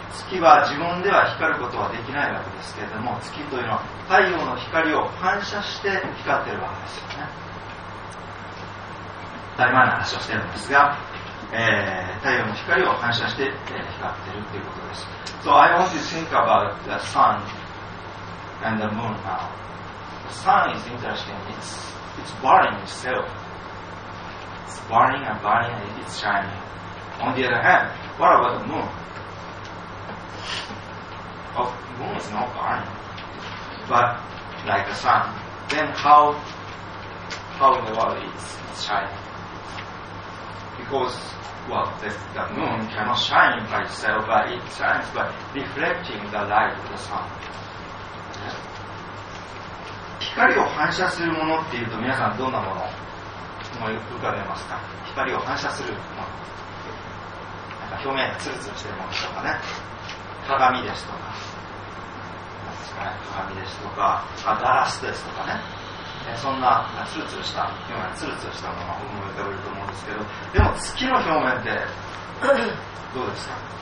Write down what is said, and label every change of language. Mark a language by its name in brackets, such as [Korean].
[Japanese] 月は自分では光ることはできないわけですけれども、月というのは太陽の光を反射して光っているわけですよね。当たり前の話をしているんですが、太陽の光を反射して光っているということです。 [English] So I want to think about the sun and the moon now. sun is interesting. It's burning itself. It's burning and burning and it's shining. On the other hand, what about the moon? Oh, moon is not burning. But like the sun, then how in the world it's shining? Because, well, the moon cannot shine by itself, but it shines by reflecting the light of the sun. [Japanese] 光を反射するものっていうと皆さんどんなものを思い浮かべますか？光を反射するもの、なんか表面がツルツルしているものとかね、鏡ですとか、なんですかね、鏡ですとか、あ、ガラスですとかね、そんなツルツルした表面、ツルツルしたものを思い浮かべると思うんですけど、でも月の表面ってどうですか？